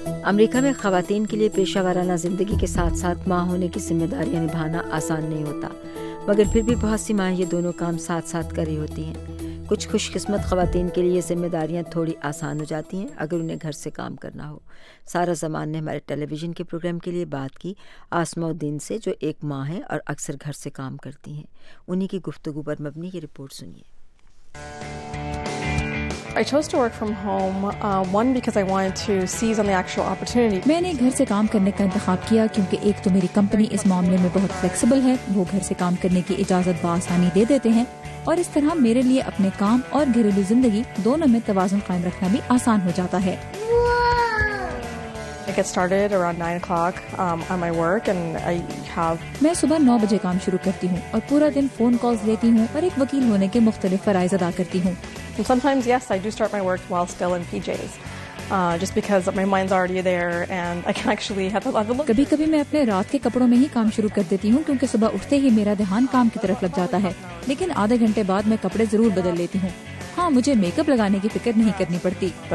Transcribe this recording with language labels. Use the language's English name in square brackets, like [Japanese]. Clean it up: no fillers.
[Urdu] امریکہ میں خواتین کے لیے پیشہ ورانہ زندگی کے ساتھ ساتھ ماں ہونے کی ذمہ داریاں نبھانا آسان نہیں ہوتا، مگر پھر بھی بہت سی ماں یہ دونوں کام ساتھ ساتھ کر رہی ہوتی ہیں۔ کچھ خوش قسمت خواتین کے لیے یہ ذمہ داریاں تھوڑی آسان ہو جاتی ہیں اگر انہیں گھر سے کام کرنا ہو۔ سارا زمان نے ہمارے ٹیلی ویژن کے پروگرام کے لیے بات کی آسما الدین سے، جو ایک ماں ہیں اور اکثر گھر سے کام کرتی ہیں۔ انہیں کی گفتگو پر مبنی یہ رپورٹ سنیے۔ [English] I chose to work from home, one because I wanted to seize on the actual opportunity. [Urdu] میں نے گھر سے کام کرنے کا انتخاب کیا کیونکہ ایک تو میری کمپنی اس معاملے میں بہت فلیکسیبل ہے، وہ گھر سے کام کرنے کی اجازت بآسانی دے دیتے ہیں، اور اس طرح میرے لیے اپنے کام اور گھریلو زندگی دونوں میں توازن قائم رکھنا بھی آسان ہو جاتا ہے۔ [English] I get started around 9 o'clock on my work and I have [Urdu] میں صبح 9 بجے کام شروع کرتی ہوں اور پورا دن فون کالز لیتی ہوں اور ایک وکیل ہونے کے مختلف فرائض ادا کرتی ہوں۔ [English] And sometimes yes, I do start my work while still in PJs just because my mind's already there and I can actually have a look. [Urdu] کبھی کبھی میں اپنے رات کے کپڑوں میں ہی کام شروع کر دیتی ہوں کیونکہ صبح اٹھتے ہی میرا دھیان کام کی طرف لگ جاتا ہے، لیکن آدھے گھنٹے بعد میں کپڑے ضرور بدل لیتی ہوں۔ ہاں، مجھے میک اپ لگانے کی فکر نہیں کرنی پڑتی